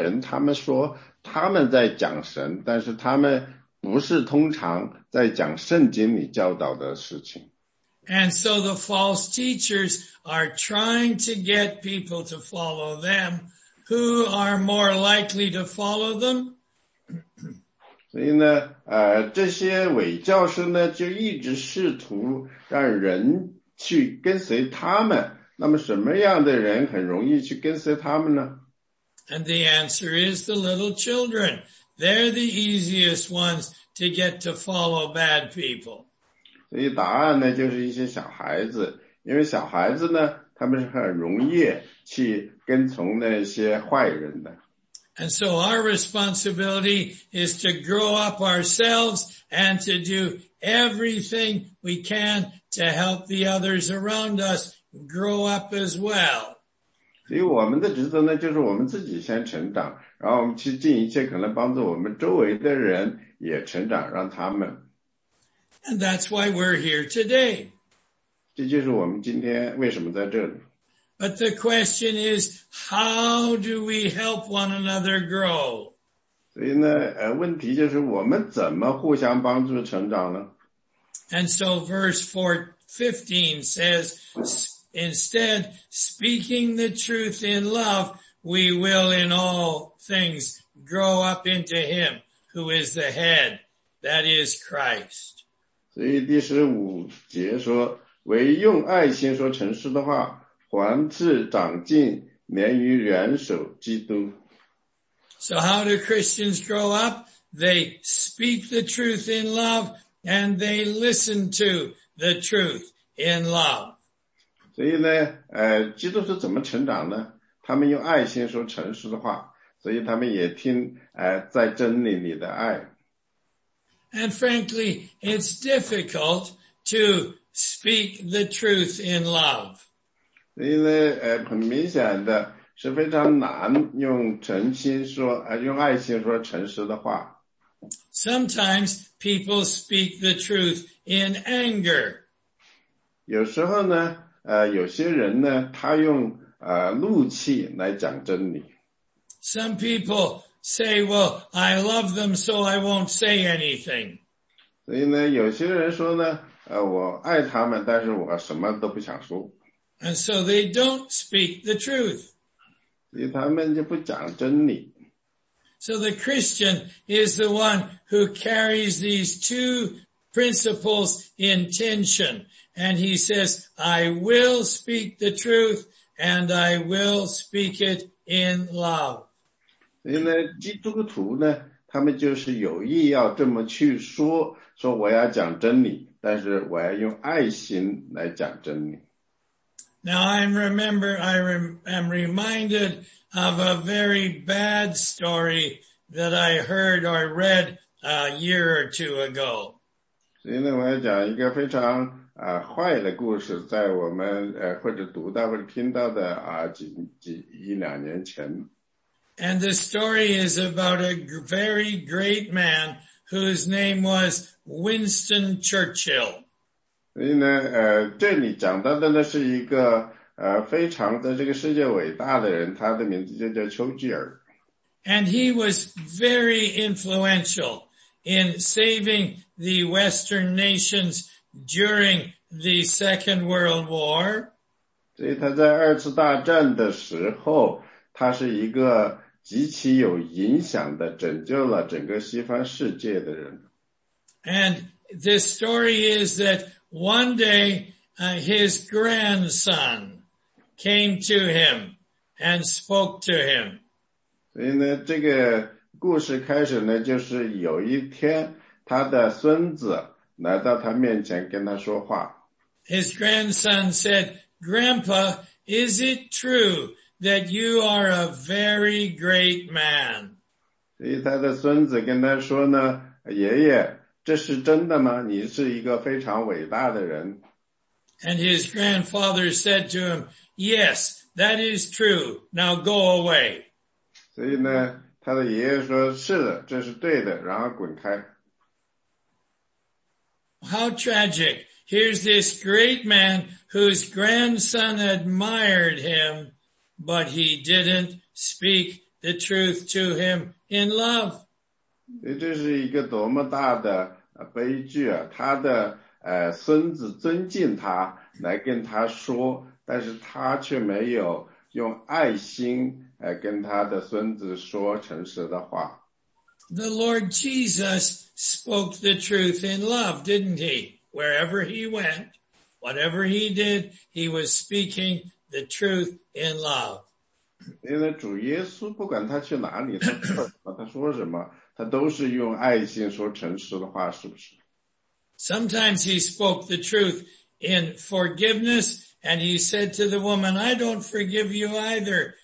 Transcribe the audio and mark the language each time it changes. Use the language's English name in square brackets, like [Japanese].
[Chinese] 因为我们也知道很多人他们说他们在讲神, 但是他们不是通常在讲圣经里教导的事情。 [English] And so the false teachers are trying to get people to follow them. Who are more likely to follow them? [Chinese] 所以呢, 这些伪教师呢, 就一直试图让人去跟随他们, 那么什么样的人很容易去跟随他们呢? [English] And the answer is the little children. They're the easiest ones to get to follow bad people. [Chinese] 所以答案呢, 就是一些小孩子, 因为小孩子呢, 他们是很容易去跟从那些坏人的。 [English] And so our responsibility is to grow up ourselves and to do everything we can to help the others around us grow up as well. [Chinese] 所以我们的职责呢, 就是我们自己先成长, 然后我们去尽一切可能帮助我们周围的人也成长, 让他们。 [English] And that's why we're here today. [Chinese] 这就是我们今天为什么在这里。 [English] But the question is, how do we help one another grow? [Chinese] 所以呢, 问题就是我们怎么互相帮助成长呢? [English] And so verse 15 says, instead, speaking the truth in love, we will in all things grow up into him who is the head, that is Christ. [Chinese] 所以第15节说, 唯用爱心说诚实的话, 还自长进连于元首基督。 [English] So how do Christians grow up? They speak the truth in love and they listen to the truth in love. [Chinese] 所以呢, 基督徒怎么成长呢?他们用爱心说诚实的话, 所以他们也听, 在真理里的爱。 [English] And frankly, it's difficult to speak the truth in love. [Chinese] 因为, 很明显的, 是非常难用诚心说, 用爱心说诚实的话。 [English] Sometimes people speak the truth in anger. [Chinese] 有时候呢，有些人呢，他用怒气来讲真理。 [English] Some people say, well, I love them, so I won't say anything. [Chinese] 所以呢，有些人说呢，我爱他们，但是我什么都不想说。 [English] And so they don't speak the truth. [Chinese] 所以他们就不讲真理。 [English] So the Christian is the one who carries these two principles in tension. And he says, I will speak the truth and I will speak it in love. [Chinese] 所以呢基督徒呢他们就是有意要这么去说说我要讲真理但是我要用爱心来讲真理。 [English] Now I am reminded of a very bad story that I heard or read a year or two ago. [Chinese] 所以呢我要讲一个非常坏的故事在我们或者读到或者听到的一两年前。 [English] And the story is about a very great man whose name was Winston Churchill. [Chinese] 所以呢这里讲到的呢是一个非常在这个世界伟大的人他的名字就叫丘吉尔。 [English] And he was very influential in saving the Western nations during the Second World War. [Chinese] 所以他在二次大战的时候他是一个极其有影响的拯救了整个西方世界的人。 [English] And the story is that one day, his grandson came to him and spoke to him. [Chinese] 所以呢这个故事开始呢就是有一天他的孙子来到他面前跟他说话。 [English] His grandson said, Grandpa, is it true that you are a very great man? [Chinese] 所以他的孙子跟他说呢爷爷这是真的吗你是一个非常伟大的人。 [English] And his grandfather said to him, Yes, that is true. Now go away. [Chinese] 所以呢他的爷爷说是的这是对的然后滚开。 [English] How tragic. Here's this great man whose grandson admired him, but he didn't speak the truth to him in love. [Chinese] 这是一个多么大的悲剧啊！他的孙子尊敬他来跟他说但是他却没有用爱心跟他的孙子说诚实的话。 [English] The Lord Jesus spoke the truth in love, didn't he? Wherever he went, whatever he did, he was speaking the truth in love. [Chinese] 因为主耶稣不管他去哪里，他说什么，他都是用爱心说诚实的话，是不是？ [English] Sometimes he spoke the truth in forgiveness, and he said to the woman, I don't forgive you either.